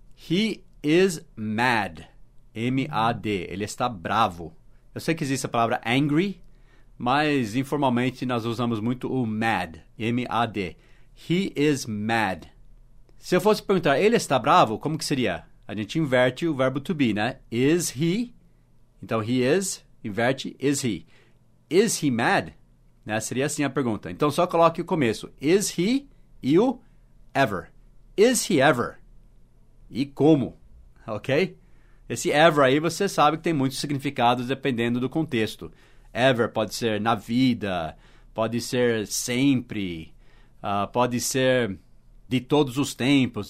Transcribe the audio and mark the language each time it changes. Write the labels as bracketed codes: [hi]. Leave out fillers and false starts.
[en] He is mad, M-A-D, [pt] ele está bravo. Eu sei que existe a palavra angry, mas informalmente nós usamos muito o mad, M-A-D. [en] He is mad. [pt] Se eu fosse perguntar, ele está bravo, como que seria? A gente inverte o verbo to be, né? [en] Is he? [pt] Então, [en] he is, [pt] inverte, [en] is he. Is he mad? [pt] Né? Seria assim a pergunta. Então, só coloque o começo. Is he e o ever. [en] Is he ever? [pt] E como? Ok? Esse ever aí, você sabe que tem muitos significados dependendo do contexto. Ever pode ser na vida, pode ser sempre, pode ser de todos os tempos.